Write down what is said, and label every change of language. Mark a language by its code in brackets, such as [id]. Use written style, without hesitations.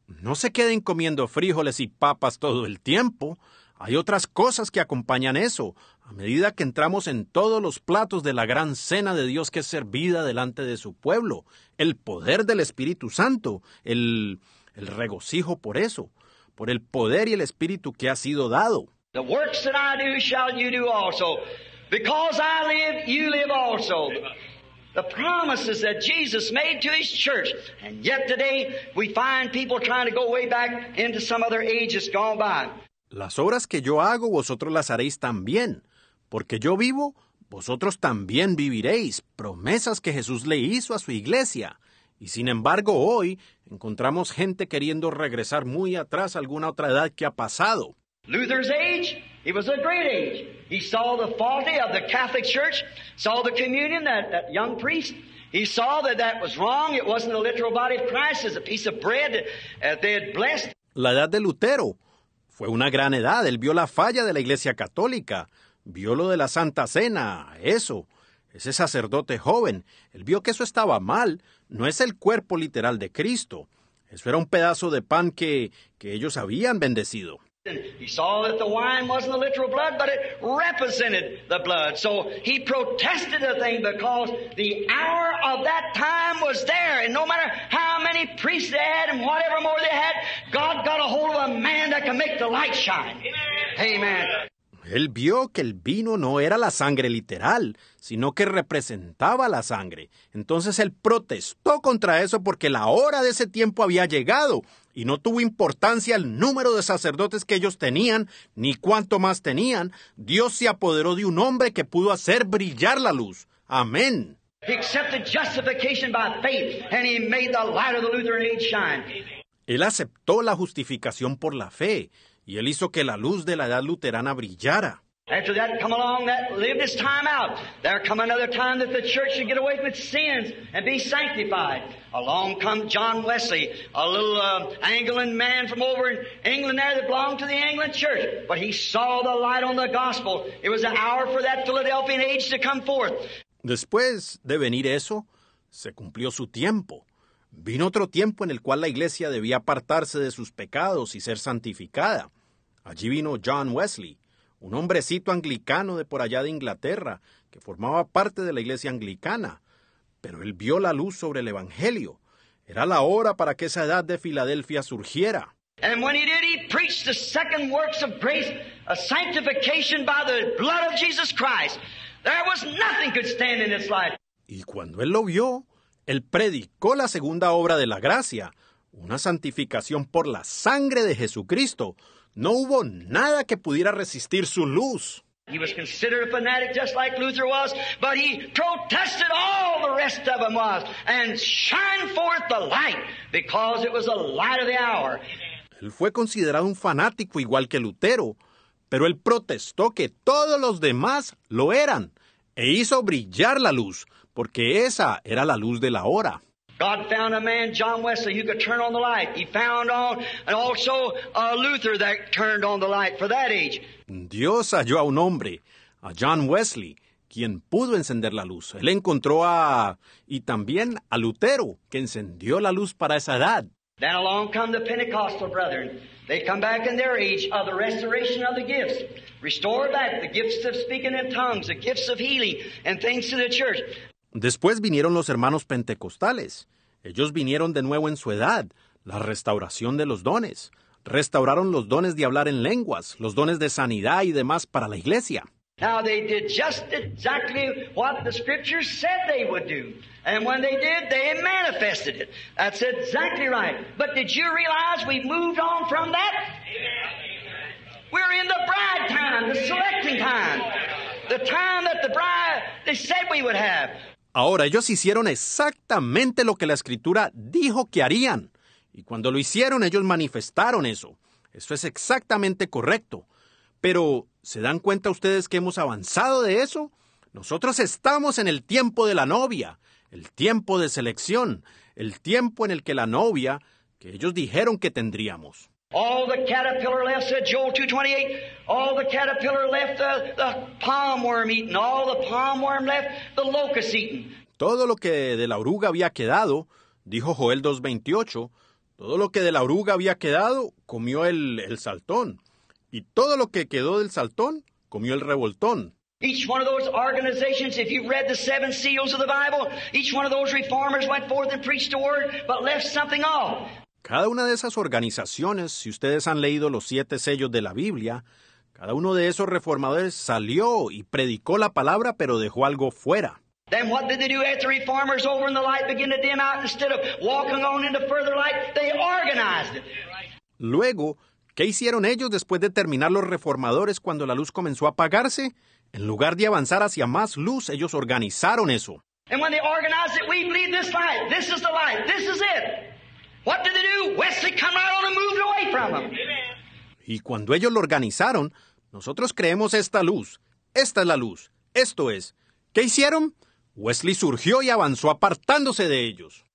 [es] No se queden comiendo frijoles y papas todo el tiempo. Hay otras cosas que acompañan eso. A medida que entramos en todos los platos de la gran cena de Dios que es servida delante de su pueblo, el poder del Espíritu Santo, el regocijo por eso, por el poder y el Espíritu que ha sido dado. [en] The works that I do shall you do also. Because I live, you live also. The promises that Jesus made to His church. And yet today we find people trying to go way back into some other ages gone by. [es] Las obras que yo hago, vosotros las haréis también. Porque yo vivo, vosotros también viviréis. Promesas que Jesús le hizo a su iglesia. Y sin embargo, hoy, encontramos gente queriendo regresar muy atrás a alguna otra edad que ha pasado. [en] Luther's age, it was a great age. He saw the folly of the Catholic Church, saw the communion, that young priest. He saw that was wrong. It wasn't the literal body of Christ, it was a piece of bread that they had blessed. [es] La edad de Lutero fue una gran edad. Él vio la falla de la iglesia católica. Vio lo de la Santa Cena, eso. Ese sacerdote joven, él vio que eso estaba mal. No es el cuerpo literal de Cristo. Eso era un pedazo de pan que ellos habían bendecido. [en] He saw that the wine wasn't the literal blood, but it represented the blood. So he protested the thing because the hour of that time was there. And no matter how many priests they had and whatever more they had, God got a hold of a man that can make the light shine. Amen. [es] Él vio que el vino no era la sangre literal, sino que representaba la sangre. Entonces él protestó contra eso porque la hora de ese tiempo había llegado y no tuvo importancia el número de sacerdotes que ellos tenían ni cuánto más tenían. Dios se apoderó de un hombre que pudo hacer brillar la luz. Amén. [en] He accepted justification by faith, and he made the light of the Lutheran age shine. [es] Él aceptó la justificación por la fe, y él hizo que la luz de la edad luterana brillara. [en] After that, come along, that lived his time out. There come another time that the church should get away from its sins and be sanctified. Along come John Wesley, a little Anglican man from over in England there that belonged to the Anglican church. But he saw the light on the gospel. It was an hour for that Philadelphian age to come forth. [es] Después de venir eso, se cumplió su tiempo. Vino otro tiempo en el cual la iglesia debía apartarse de sus pecados y ser santificada. Allí vino John Wesley, un hombrecito anglicano de por allá de Inglaterra, que formaba parte de la iglesia anglicana. Pero él vio la luz sobre el evangelio. Era la hora para que esa edad de Filadelfia surgiera. [en] And when he did, he preached the second works of grace, a sanctification by the blood of Jesus Christ. There was nothing could stand in its light. [es] Y cuando él lo vio, él predicó la segunda obra de la gracia, una santificación por la sangre de Jesucristo. No hubo nada que pudiera resistir su luz. [en] He was considered a fanatic just like Luther was, but he protested all the rest of them was and shined forth the light because it was the light of the hour. [es] Él fue considerado un fanático igual que Lutero, pero él protestó que todos los demás lo eran e hizo brillar la luz, porque esa era la luz de la hora. [en] God found a man, John Wesley, who could turn on the light. He found on, and also a Luther that turned on the light for that age. [es] Dios halló a un hombre, a John Wesley, quien pudo encender la luz. Él encontró a, y también a Lutero, que encendió la luz para esa edad. [en] Then along come the Pentecostal brethren. They come back in their age of the restoration of the gifts. Restore back the gifts of speaking in tongues, the gifts of healing, and things to the church. [es] Después vinieron los hermanos pentecostales. Ellos vinieron de nuevo en su edad, la restauración de los dones. Restauraron los dones de hablar en lenguas, los dones de sanidad y demás para la iglesia. [en] Now they did just exactly what the scriptures said they would do. And when they did, they manifested it. That's exactly right. But did you realize we've moved on from that? We're in the bride time, the selecting time. The time that the bride, they said we would have. [es] Ahora ellos hicieron exactamente lo que la Escritura dijo que harían. Y cuando lo hicieron, ellos manifestaron eso. Eso es exactamente correcto. Pero, ¿se dan cuenta ustedes que hemos avanzado de eso? Nosotros estamos en el tiempo de la novia, el tiempo de selección, el tiempo en el que la novia, que ellos dijeron que tendríamos. [en] All the caterpillar left, said Joel 2:28. All the caterpillar left the palm worm eating. All the palm worm left the locust eating. [es] Todo lo que de la oruga había quedado, dijo Joel 2:28. Todo lo que de la oruga había quedado, comió el saltón. Y todo lo que quedó del saltón, comió el revoltón. [en] Each one of those organizations, if you've read the seven seals of the Bible, each one of those reformers went forth and preached the word, but left something off. [es] Cada una de esas organizaciones, si ustedes han leído los siete sellos de la Biblia, cada uno de esos reformadores salió y predicó la palabra, pero dejó algo fuera. [en] Then what did they do after reformers over in the light began to dim out instead of walking on into further light? They organized it. [es] Luego, ¿qué hicieron ellos después de terminar los reformadores cuando la luz comenzó a apagarse? En lugar de avanzar hacia más luz, ellos organizaron eso. [en] And when they organized it, we believe this light, this is the light, this is it. What did they do? Wesley come right on and moved away from them. [es] Y cuando ellos lo organizaron, nosotros creemos esta luz. Esta es la luz. Esto es. ¿Qué hicieron? Wesley surgió y avanzó apartándose de ellos.